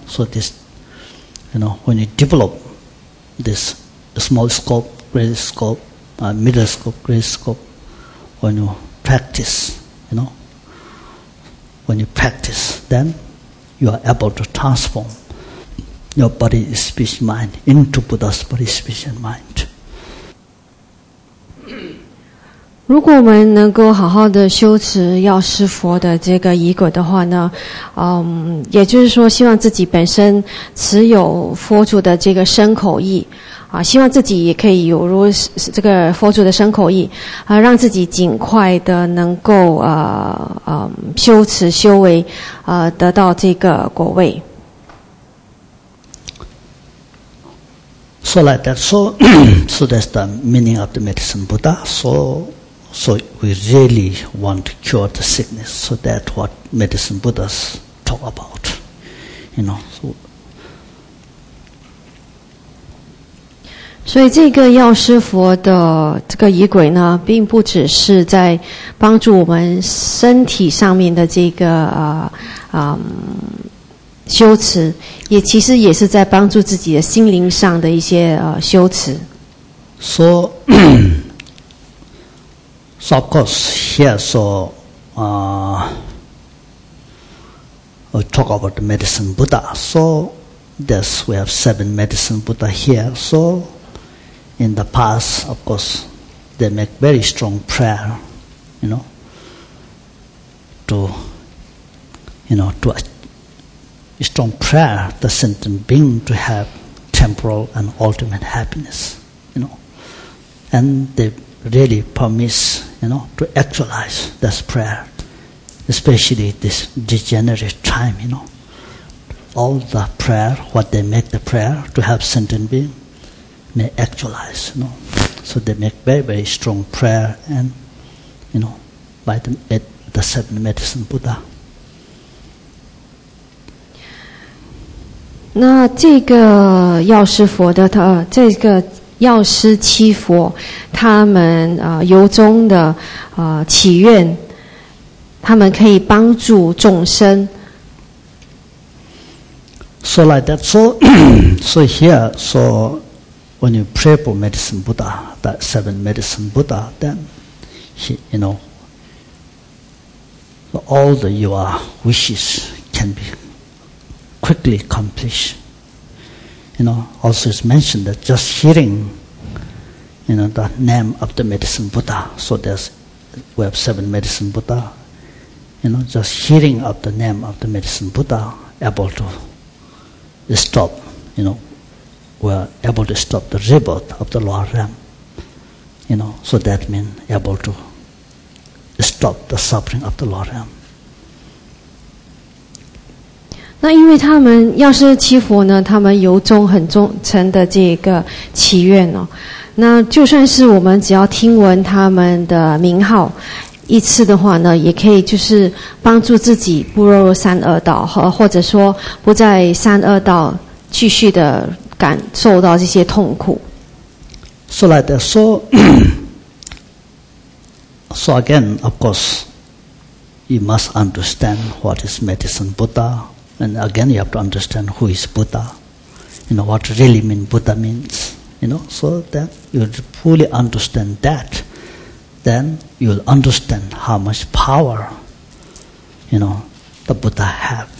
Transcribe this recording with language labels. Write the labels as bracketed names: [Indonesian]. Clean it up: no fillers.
[English] So this, you know, when you develop this small scope, great scope, middle scope, great scope, when you practice, you know, when you practice, then you are able to transform your body, speech, mind into Buddha's body, speech, and mind. [Chinese] 如果我们能够好好的修持药师佛的这个仪轨的话呢，嗯，也就是说希望自己本身持有佛祖的这个身口意啊，希望自己也可以有如这个佛祖的身口意啊，让自己尽快的能够修持修为得到这个果位。 [English] So like that. So, so that's the meaning of the medicine Buddha. So we really want to cure the sickness. So that's what medicine Buddhas talk about. You know. So. [Chinese] 所以这个药师佛的这个仪轨呢，并不只是在帮助我们身体上面的这个修持，也其实也是在帮助自己的心灵上的一些修持。 [English] So of course here, we talk about the medicine Buddha. So this we have seven medicine Buddha here. So in the past, of course, they make very strong prayer, you know, to a strong prayer, the sentient being to have temporal and ultimate happiness, you know. And they really promise, you know, to actualize this prayer, especially this degenerate time, you know. All the prayer, what they make the prayer to have sentient being may actualize, you know. So they make very, very strong prayer, and, you know, by the seven medicine Buddha. [Chinese] 那这个药师佛的他，这个药师七佛，他们由衷的祈愿，他们可以帮助众生。 [English] So like that. So, so here, so when you pray for medicine Buddha, that seven medicine Buddha, then he, you know, so all the your wishes can be quickly accomplished. You know, also it's mentioned that just hearing, you know, the name of the medicine Buddha, so there's, we have seven medicine Buddha, you know, just hearing of the name of the medicine Buddha, able to stop, you know, we're able to stop the rebirth of the lower realm, you know, so that means able to stop the suffering of the lower realm. [Chinese] 那因为他们药师七佛呢，他们由衷很忠诚的这个祈愿哦，那就算是我们只要听闻他们的名号一次的话呢，也可以就是帮助自己不落入三恶道，或者说不在三恶道继续的感受到这些痛苦。 [English] So like that. So, so again, of course, you must understand what is medicine Buddha, and again, you have to understand who is Buddha. You know what really mean Buddha means. You know, so that you fully understand that, then you'll understand how much power, you know, the Buddha have.